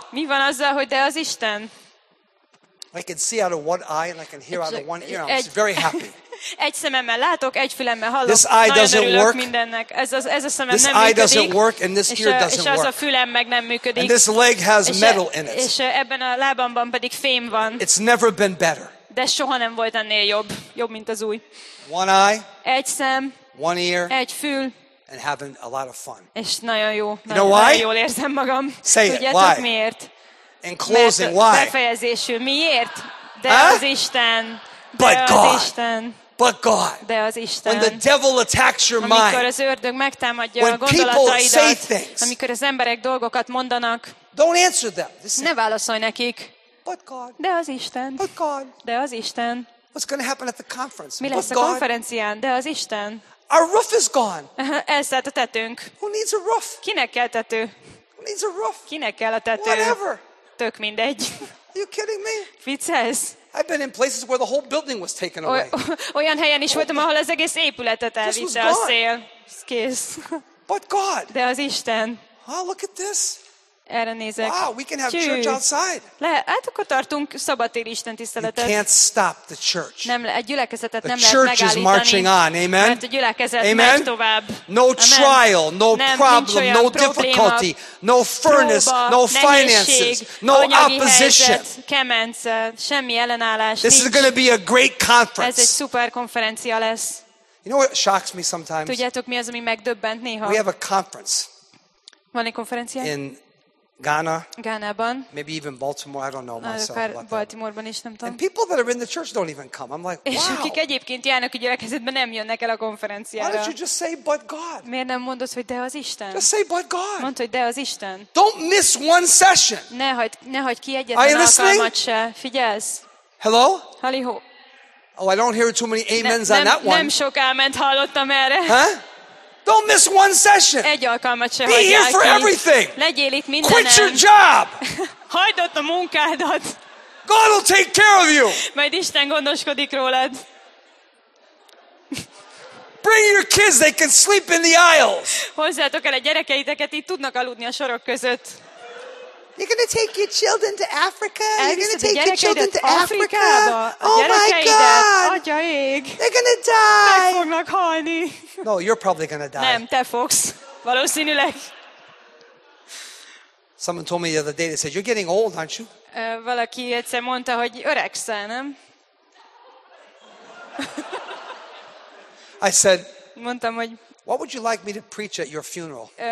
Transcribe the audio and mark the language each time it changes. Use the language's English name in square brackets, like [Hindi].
[Hungarian] Mi van azzal, hogy de az Isten? [English] I can see out of one eye and I can hear out of one ear. I'm very happy. [Hungarian] Egy szememmel látok, egy fülemmel hallok. [English] This eye doesn't work. [Hungarian] Ez a szemem [English] this [Hungarian] nem [English] eye [Hungarian] működik. [English] Doesn't work and this ear doesn't work. [Hungarian] És az a fülem meg nem működik. [English] And this leg has metal in it. [Hungarian] És ebben a lábamban pedig fém van. [English] It's never been better. [Hungarian] De soha nem volt ennél jobb, mint az új. [English] One eye. [Hungarian] Egy szem. [English] one ear, [Hungarian] egy fül, [English] and having a lot of fun. [Hungarian] És nagyon jó. [English] You know why? [Hungarian] Jól érzem magam. [English] Say it. Why? [Hungarian] Miért? [English] In closing, why? [Hungarian] Befejezésül. Miért? De huh? Az Isten. [English] But [Hungarian] de [English] God. [Hungarian] Az Isten. [English] But God. [Hungarian] De az Isten. [English] When the devil attacks your mind. [Hungarian] Amikor az ördög megtámadja a gondolataidat. Amikor az emberek dolgokat mondanak. [English] Don't answer them. [Hungarian] Ne válaszolj nekik. [English] But God. [Hungarian] De az Isten. [English] But God. [Hungarian] De az Isten. [English] What's going to happen at the conference? [Hungarian] Mi lesz a konferencián? De az Isten. [English] Our roof is gone. [Hungarian] Elszállt a tetőnk. [English] Who needs a roof? [Hungarian] Kinek kell tető? [English] Who needs a roof? [Hungarian] Kinek kell a tető? [English] Whatever. [Hungarian] Tök mindegy. [English] Are you kidding me? [Hungarian] Viccelsz? [English] I've been in places where the whole building was taken away. [Hungarian] Olyan helyen is voltam, ahol az egész épületet elvitte a szél. Kész. [English] But God. [Hungarian] De az Isten. [English] Oh, look at this. [Hungarian] Erre nézek. [English] Wow, we can have church outside. [Hungarian] Lehet, akkor tartunk szabadtéri istentiszteletet. [English] You can't stop the church. [Hungarian] Nem, egy gyülekezetet nem lehet megállítani. [English] The church is marching on, amen. [Hungarian] Mert a gyülekezet megy tovább. [English] No trial, no problem, no difficulty, no furnace, no finances, no opposition. [Hungarian] Kemenc, semmi ellenállás. [English] This is going to be a great conference. [Hungarian] Ez egy szuper konferencia lesz. [English] You know what shocks me sometimes? [Hungarian] Tudjátok, mi az, ami megdöbbent néha? [English] We have a conference. [Hungarian] Van egy konferencia? [English] In Ghana, [Hungarian] Ghanában, [English] maybe even Baltimore, I don't know myself. [Hungarian] Baltimoreban is, nem tudom. [English] And people that are in the church don't even come. I'm like, wow. [Hungarian] És akik egyébként járnak a gyülekezetben, nem jönnek el a konferenciára. [English] Why don't you just say, but God? [Hungarian] Miért nem mondod, hogy de az Isten? [English] Just say, but God. [Hungarian] Mondd, hogy de az Isten. [English] Don't miss one session. [Hungarian] Ne hagyd ki egyetlen alkalmat se. Figyelsz? [English] Hello? [Hungarian] Halihó. [English] Oh, I don't hear too many amens on that one. [Hungarian] Nem sok áment hallottam erre. [English] Huh? Don't miss one session. [Hungarian] Egy alkalmat se hagyjál ki. [English] Be here for everything. [Hungarian] Legyél itt mindenen. [English] Quit your job. [Hungarian] Hagyd ott a munkádat. [English] God will take care of you. [Hungarian] Majd Isten gondoskodik rólad. [English] Bring your kids, they can sleep in the aisles. [Hungarian] Hozzátok el a gyerekeiteket, így tudnak aludni a sorok között. [English] You're going to take your children to Africa? You're going to take your children to Africa? Oh my God! Atyaig. They're going to die! [Hungarian] Meg fognak halni. [English] No, you're probably going to die. [Hungarian] Nem, te fogsz. Valószínűleg. [English] Someone told me the other day, they said, you're getting old, aren't you? [Hungarian] Valaki egyszer mondta, hogy öregszel, nem? [English] I said, [Hungarian] mondtam, hogy [English] what would you like me to preach at your funeral?